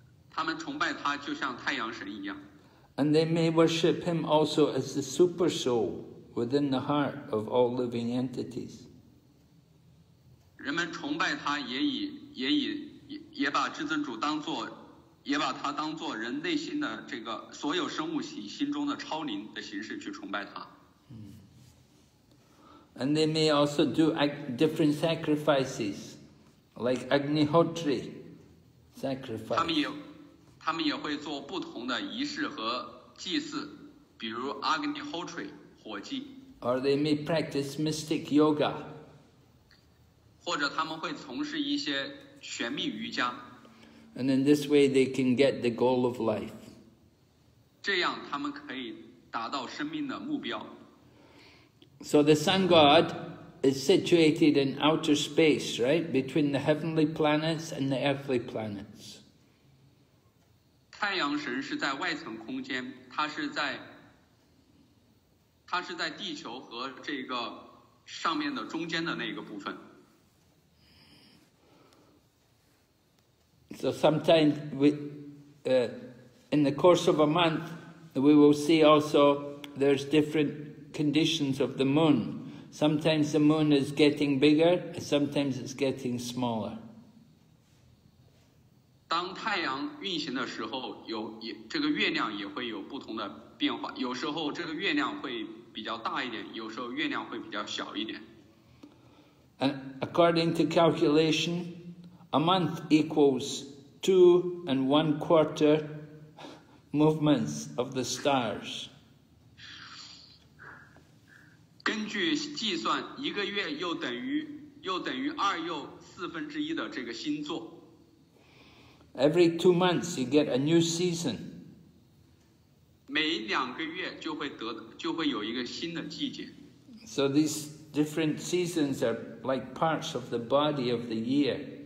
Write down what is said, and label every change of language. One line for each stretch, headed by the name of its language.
Chinese: 他们崇拜他就像太阳神一样。
English: And they may worship him also as the super soul. Within the heart of all living entities.
Chinese: 人们崇拜他也把至尊主当作，也把他当作人内心的这个所有生物体心中的超灵的形式去崇拜他。
English: And they may also do different sacrifices, like Agnihotri sacrifice.
Chinese: 他们也会做不同的仪式和祭祀，比如 Agnihotri火祭。
English: Or they may practice mystic yoga.
Chinese: 或者他们会从事一些玄秘瑜伽。
English: And in this way, they can get the goal of life.
Chinese: 这样他们可以达到生命的目标。
English: So the sun god is situated in outer space, right? Between the heavenly planets and the earthly planets.
Chinese: 太阳神是在外层空间，它是在地球和这个上面的中间的那个部分。
English: So sometimes in the course of a month, we will see also there's different conditions of the moon. Sometimes the moon is getting bigger, sometimes it's getting smaller.
Chinese: 当太阳运行的时候，这个月亮也会有不同的变化。有时候这个月亮会比较大一点，有时候月亮会比较小一点。
English: And according to calculation, a month equals 2 1/4 movements of the stars.
Chinese: 根据计算，一个月又等于二又四分之一的这个星座。
English: Every 2 months, you get a new season.
Chinese: 每两个月就会得，就会有一个新的季节。
English: So these different seasons are like parts of the body of the year.